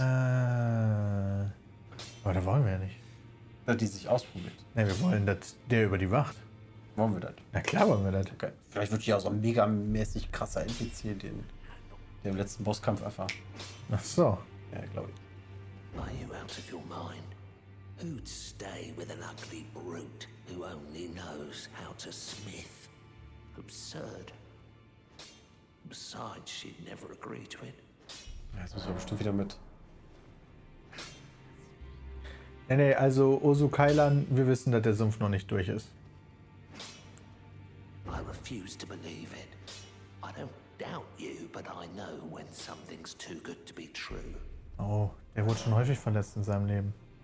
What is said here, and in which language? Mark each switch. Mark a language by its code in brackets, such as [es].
[de] Aber da wollen wir ja nicht. Dass die sich ausprobiert. Ne, wir wollen, dass der über die wacht. Wollen wir das? Na klar wollen wir das. Okay. Vielleicht wird die auch so ein megamäßig krasser NPC, den im letzten Bosskampf erfahren. Ach so. Ja, glaube ich. [en] Are you out of your mind? Who'd stay with an ugly brute who only knows how to smith? Absurd. Besides, she'd never agree to it. [de] Jetzt müssen wir bestimmt wieder mit. Nee, also Ozu Kailan, wir wissen, dass der Sumpf noch nicht durch ist. [en] I refuse to believe it. I don't doubt you, but I know when something's too good to be true. [de] Oh, der wurde schon häufig verletzt in seinem Leben.